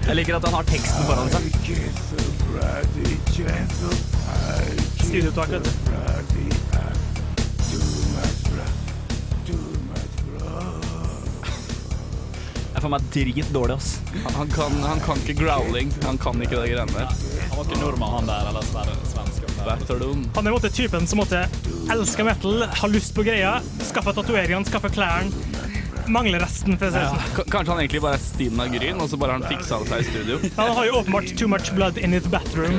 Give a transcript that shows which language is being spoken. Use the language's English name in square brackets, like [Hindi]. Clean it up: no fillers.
[Norwegian] Jeg liker at han har teksten foran seg. [English] I kiss a bloody gentle, I kiss a bloody eye. Too much breath, too much blood. [Norwegian] for meg drit dårlig, ass. Han kan ikke growling. Han kan ikke det greiene der. Han var ikke nordmann, han der, eller svensk. Han er måtte typen som måtte elsker metal, har lyst på greia, skaffer tatueringene, skaffer klærne, mangler resten for seg. Ja. Kanskje han egentlig bare er Stina Gryn, og så bare han fikser seg i studio. Han har jo åpenbart [English] too much blood in his bathroom.